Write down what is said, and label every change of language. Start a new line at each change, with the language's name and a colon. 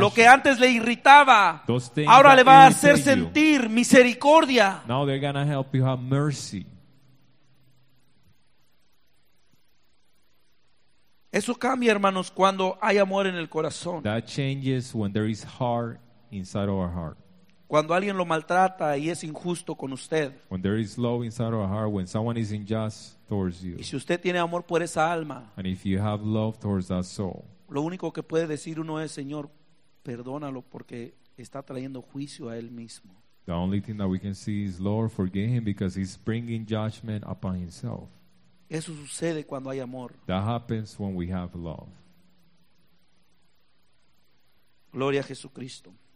Spanish: Lo que antes le irritaba, ahora le va a hacer sentir misericordia.
English: Now they're gonna help you have mercy.
Spanish: Eso cambia, hermanos, cuando hay amor en el corazón.
English: That changes when there is heart inside our heart.
Spanish: Cuando alguien lo maltrata y es injusto con usted.
English: When there is love inside our heart, when someone is unjust towards you.
Spanish: Y si usted tiene amor por esa alma.
English: And if you have love towards that soul.
Spanish: Lo único que puede decir uno es, Señor, perdónalo porque está trayendo juicio a él mismo.
English: The only thing that we can see is, Lord, forgive him because he's bringing judgment upon himself.
Spanish: Eso sucede cuando hay amor.
English: That happens when we have love.
Spanish: Gloria a Jesucristo.